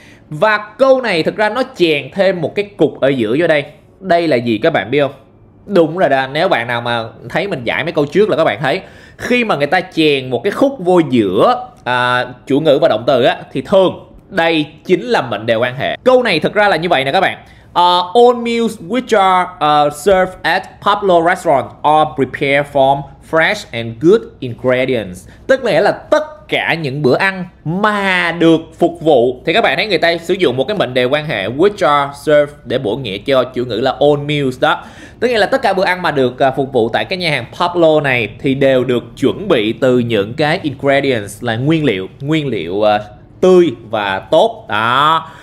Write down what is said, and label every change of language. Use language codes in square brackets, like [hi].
[vi] Và câu này thực ra nó chèn thêm một cái cục ở giữa vô đây. Đây là gì các bạn biết không? Đúng rồi đó, nếu bạn nào mà thấy mình giải mấy câu trước là các bạn thấy khi mà người ta chèn một cái khúc vô giữa chủ ngữ và động từ á, thì thường đây chính là mệnh đề quan hệ. Câu này thực ra là như vậy nè các bạn. [en] All meals which are served at Pablo restaurant are prepared from fresh and good ingredients. [vi] Tức nghĩa là tất cả những bữa ăn mà được phục vụ, thì các bạn thấy người ta sử dụng một cái mệnh đề quan hệ [en] which are served [vi] để bổ nghĩa cho chủ ngữ là all meals đó. Tức nghĩa là tất cả bữa ăn mà được phục vụ tại cái nhà hàng Pablo này thì đều được chuẩn bị từ những cái ingredients, là nguyên liệu tươi và tốt đó.